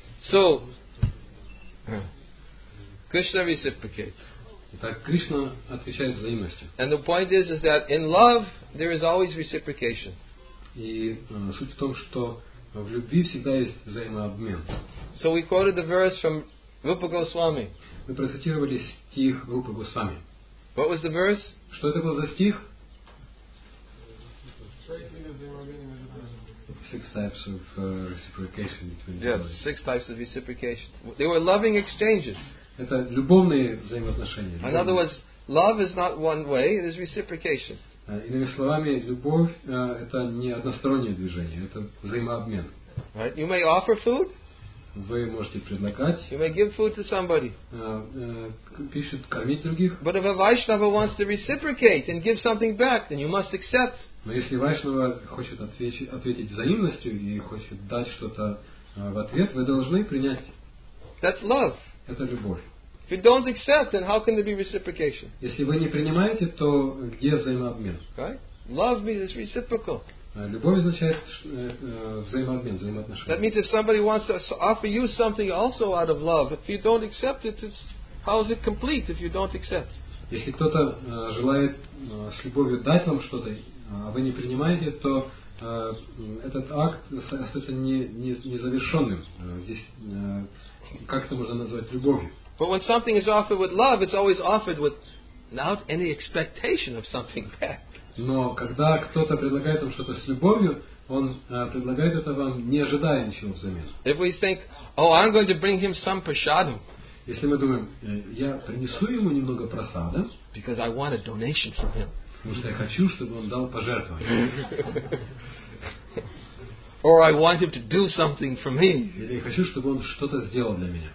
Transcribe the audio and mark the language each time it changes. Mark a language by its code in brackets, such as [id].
[en] So, Krishna reciprocates. [ru] Итак, Кришна отвечает взаимностью. [en] And the point is that in love there is always reciprocation. [ru] И суть в том, что в любви всегда есть взаимообмен. [en] So we quoted the verse from Rupa Goswami. [ru] Мы процитировали стих Рупы Госвами. [en] What was the verse? [ru] Что это был за стих? [en] Six types of reciprocation between lovers. Yes, six types of reciprocation. They were loving exchanges. [ru] Это любовные взаимоотношения. [en] In other words, love is not one way; it is reciprocation. [ru] Иными словами, любовь это не одностороннее движение, это взаимообмен. [en] Right? You may offer food. [ru] Вы можете предлагать. [en] You may give food to somebody. [ru] Пишут кормить других. [en] But if a Vaishnava wants to reciprocate and give something back, then you must accept. [ru] Но если Вайшнава хочет ответить взаимностью и хочет дать что-то в ответ, вы должны принять. [en] That's love. [ru] Это любовь. [en] If you don't accept, then how can there be reciprocation? [ru] Если вы не принимаете, то где взаимообмен? [en] Right? Love means it's reciprocal. [ru] Любовь означает взаимообмен, взаимоотношения. [en] That means if somebody wants to offer you something also out of love, if you don't accept it, it's, how is it complete if you don't accept? [ru] Если кто-то желает с любовью дать вам что-то, а вы не принимаете, то этот акт остается незавершенным. Здесь как это можно назвать любовью? [en] But when something is offered with love, it's always offered without any expectation of something back. [ru] Но когда кто-то предлагает вам что-то с любовью, он предлагает это вам, не ожидая ничего взамен. [en] If we think, oh, I'm going to bring him some prasadam. [ru] Если мы думаем, я принесу ему немного просада. [en] Because I want a donation from him. [ru] Потому что я хочу, чтобы он дал пожертвование. [en] Or I want him to do something for me. [ru] Или я хочу, чтобы он что-то сделал для меня.